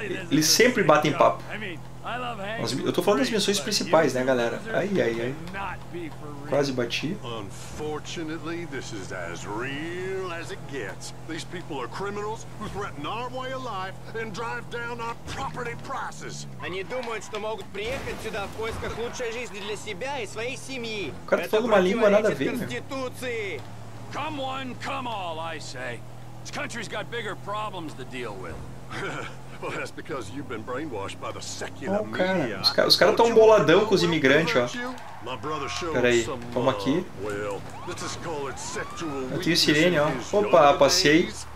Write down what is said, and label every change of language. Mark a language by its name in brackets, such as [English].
[Portuguese] Eles sempre batem papo. Eu tô falando das missões principais, né, galera? Aí, aí, aí. Quase bati. [English] Unfortunately, this is as real as it gets. These people are criminals who threaten our way of life and drive down our property prices. [Russian] Они думают, что могут приехать сюда в поисках лучшей жизни для себя и своей семьи. [Portuguese] O cara falou uma língua nada a ver, [Russian] Конституции. [English] Come one, come all, I say. This country's got bigger problems to deal with. Well, that's because you've been brainwashed by the secular media. [Portuguese] Os caras tão boladão com os imigrantes, ó. Pera aí, vamos aqui. Eu tenho sirene, ó. Opa, passei.